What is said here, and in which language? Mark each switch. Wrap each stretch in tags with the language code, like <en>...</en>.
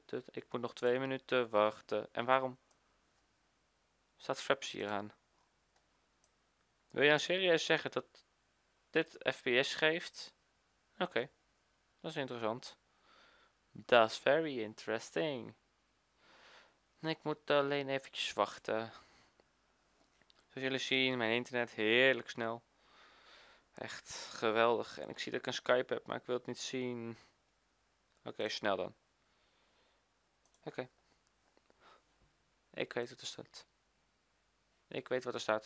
<nl>Ik moet nog 2 minuten wachten. En waarom staat Fraps hier aan? Wil je nou serieus zeggen dat dit FPS geeft? Oké, dat is interessant.</nl> <en>That's very interesting.</en> <nl>Ik moet alleen eventjes wachten. Zoals jullie zien, mijn internet heerlijk snel. Echt geweldig. En ik zie dat ik een Skype heb, maar ik wil het niet zien. Oké, snel dan. Oké. Ik weet wat er staat. Ik weet wat er staat.</nl>